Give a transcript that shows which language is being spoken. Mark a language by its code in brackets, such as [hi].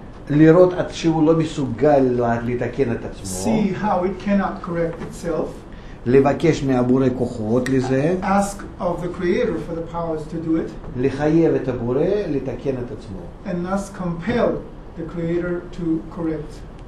[he] לראות את שהוא לא מסוגל לתקן את עצמו. [en] See how it cannot correct itself. [he] לבקש מהבורא כוחות לזה. [en] Ask of the creator for the powers to do it. [he] לחייב את הבורא לתקן את עצמו. [en] And thus compel the creator to correct.